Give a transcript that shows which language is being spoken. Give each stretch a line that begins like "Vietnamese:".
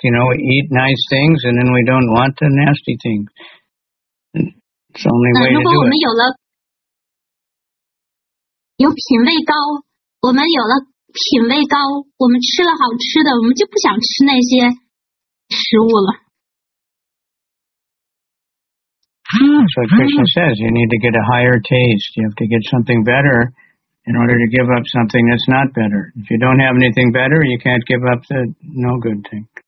English: You know, we eat nice things, and then we don't want the nasty things. It's the only way to do it.
Chinese: 如果我们有了有品味高。我们有了品味高，我们吃了好吃的，我们就不想吃那些食物了。
English: So Krishna says you need to get a higher taste. You have to get something better in order to give up something that's not better. If you don't have anything better, you can't give up the no good thing.